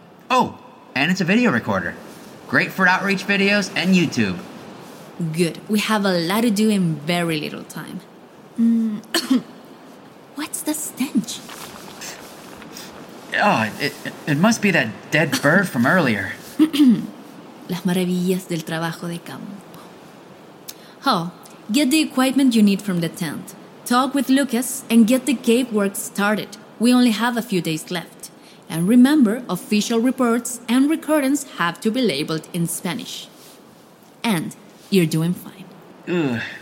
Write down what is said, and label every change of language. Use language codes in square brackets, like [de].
[en] Oh, and it's a video recorder. Great for outreach videos and YouTube. Good. We have a lot to do in very little time. What's the stench? Oh, it must be that dead bird from earlier. [es] Las maravillas del trabajo de campo. [en] Oh, get the equipment you need from the tent. Talk with Lucas and get the cave work started. We only have a few days left. And remember, official reports and recordings have to be labeled in Spanish. And you're doing fine.